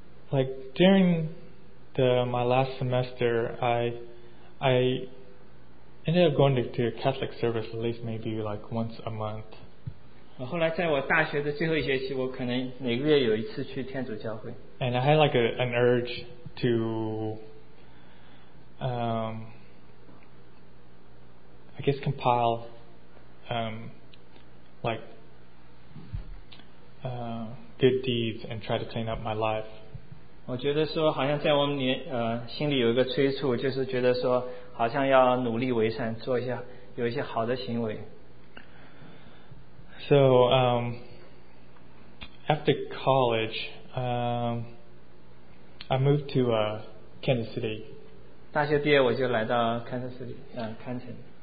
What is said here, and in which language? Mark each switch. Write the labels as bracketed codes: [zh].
[en] Like during my last semester, I ended up going to a Catholic service at least maybe like once a month. [zh] 后来在我大学的最后一学期，我可能每个月有一次去天主教会。 [en] And I had like an urge to, I guess compile, like, good deeds and try to clean up my life. [zh] 我觉得说好像在我们心里有一个催促，就是觉得说好像要努力为善，做一些有一些好的行为。 [en] So, after college, I moved to Kansas City. [zh] 大学毕业我就来到 Kansas City, 堪城。